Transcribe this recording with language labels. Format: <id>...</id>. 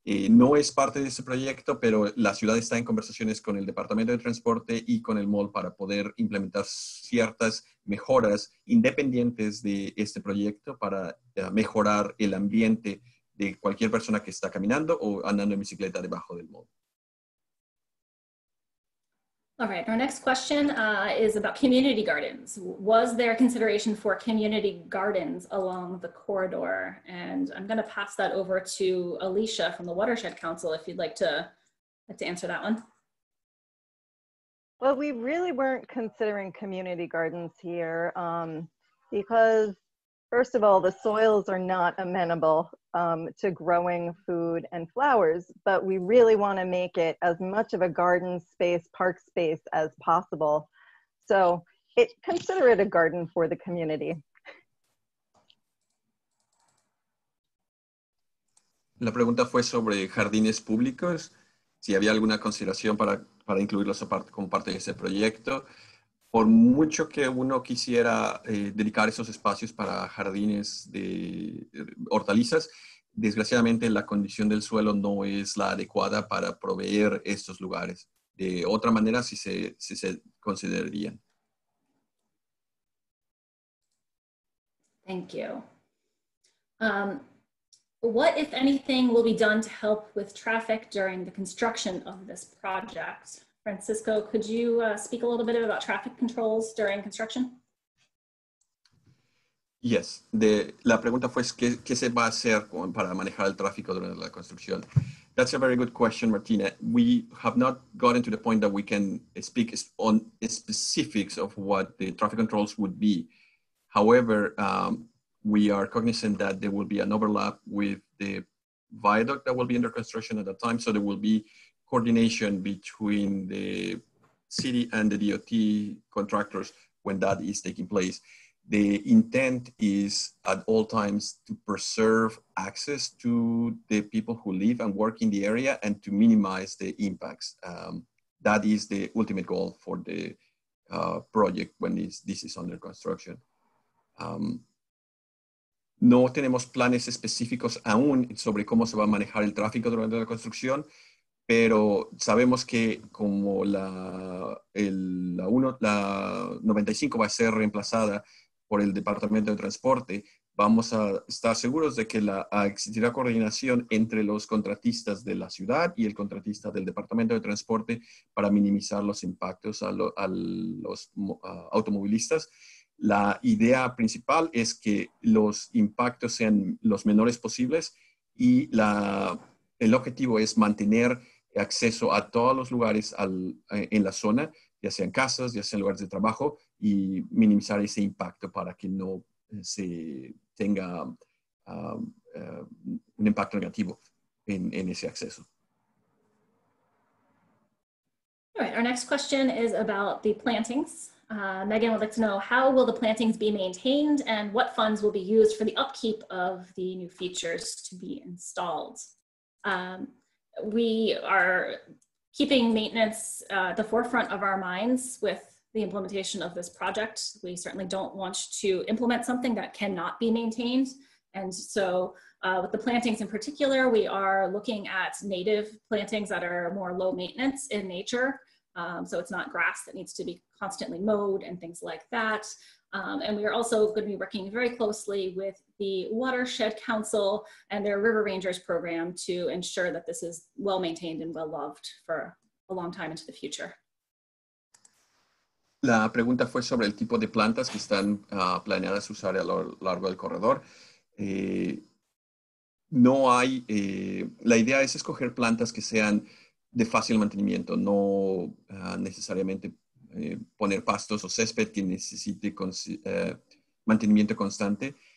<es>No es parte de ese proyecto, pero la ciudad está en conversaciones con el Departamento de Transporte y con el mall para poder implementar ciertas mejoras independientes de este proyecto para mejorar el ambiente de cualquier persona que está caminando o andando en bicicleta debajo del mall.</es> <en>All right, our next question is about community gardens. Was there consideration for community gardens along the corridor? And I'm going to pass that over to Alicia from the Watershed Council if you'd like to answer that one. Well, we really weren't considering community gardens here because, first of all, the soils are not amenable to growing food and flowers, but we really want to make it as much of a garden space, park space as possible. So consider it a garden for the community.</en> <es>La pregunta fue sobre jardines públicos, si había alguna consideración para incluirlos como parte de ese proyecto. Por mucho que uno quisiera dedicar esos espacios para jardines de hortalizas, desgraciadamente la condición del suelo no es la adecuada para proveer estos lugares. De otra manera, sí se considerarían.</es> <en>Thank you. What, if anything, will be done to help with traffic during the construction of this project? Francisco, could you speak a little bit about traffic controls during construction? Yes.</en> <es>La pregunta fue, ¿qué se va a hacer para manejar el tráfico durante la construcción?</es> <en>That's a very good question, Martina. We have not gotten to the point that we can speak on specifics of what the traffic controls would be. However, we are cognizant that there will be an overlap with the viaduct that will be under construction at that time, so there will be coordination between the city and the DOT contractors when that is taking place. The intent is at all times to preserve access to the people who live and work in the area and to minimize the impacts. That is the ultimate goal for the project when this is under construction.</en> <es>No tenemos planes específicos aún sobre cómo se va a manejar el tráfico durante la construcción, pero sabemos que como la 95 va a ser reemplazada por el Departamento de Transporte, vamos a estar seguros de que existirá coordinación entre los contratistas de la ciudad y el contratista del Departamento de Transporte para minimizar los impactos a los automovilistas. La idea principal es que los impactos sean los menores posibles y el objetivo es mantener acceso a todos los lugares en la zona, ya sean casas, ya sean lugares de trabajo, y minimizar ese impacto para que no se tenga un impacto negativo en ese acceso.</es> <en>All right, our next question is about the plantings. Megan would like to know, how will the plantings be maintained and what funds will be used for the upkeep of the new features to be installed? We are keeping maintenance at the forefront of our minds with the implementation of this project. We certainly don't want to implement something that cannot be maintained. And so with the plantings in particular, we are looking at native plantings that are more low maintenance in nature. So it's not grass that needs to be constantly mowed and things like that. And we are also going to be working very closely with the Watershed Council and their River Rangers program to ensure that this is well maintained and well loved for a long time into the future.</en> <es>La pregunta fue sobre el tipo de plantas que están planeadas usar a lo largo del corredor. No hay, la idea es escoger plantas que sean de fácil mantenimiento, no necesariamente poner pastos o césped que necesite mantenimiento constante.</es>